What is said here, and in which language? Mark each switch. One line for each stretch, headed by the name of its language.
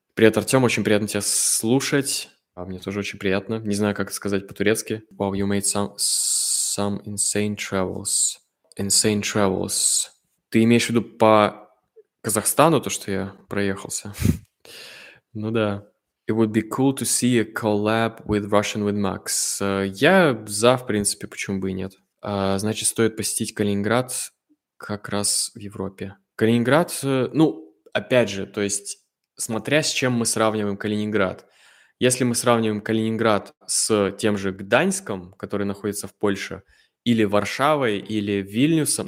Russian: Привет, Артём, очень приятно тебя слушать. А мне тоже очень приятно. Не знаю, как это сказать по-турецки.
English: Wow, you made some insane travels. Insane travels.
Russian: Ты имеешь в виду по Казахстану то, что я проехался? Ну да.
English: It would be cool to see a collab with Russian with Max.
Russian: Я за, в принципе, почему бы и нет. Значит, стоит посетить Калининград как раз в Европе. Калининград, ну, опять же, то есть... Смотря с чем мы сравниваем Калининград. Если мы сравниваем Калининград с тем же Гданьском, который находится в Польше, или Варшавой, или Вильнюсом.